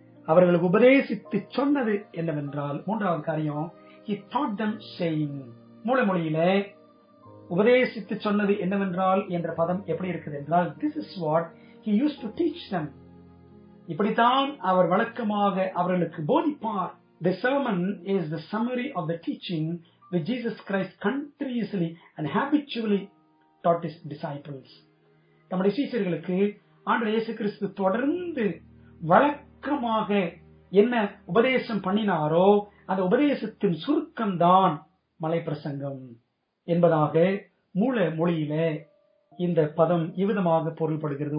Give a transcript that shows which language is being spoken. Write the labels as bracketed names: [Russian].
[Tamil] அவர்களுக்கு உபதேசித்து சொன்னது என்னவென்றால், மூன்றாவது காரியம், [English] He taught them saying, [Tamil] மூளை மொழியில உபதேசித்து சொன்னது என்னவென்றால் என்ற பதம் எப்படி இருக்குது என்றால், [English] This is what he used to teach them. [Tamil] இப்படித்தான் அவர் வழக்கமாக அவர்களுக்கு போதிப்பார். [English] The sermon is the summary of the teaching which Jesus Christ continuously and habitually taught his disciples. [Tamil] நம்முடைய சீஷர்களுக்கு ஆண்டவர் இயேசு கிறிஸ்து தொடர்ந்து வழக்கமாக என்ன உபதேசம் பண்ணினாரோ அந்த உபதேசத்தின் சுருக்கம்தான் மலைப்பிரசங்கம் என்பதாக மூல மொழியில இந்த பதம் இவ்விதமாக பொருள்படுகிறது.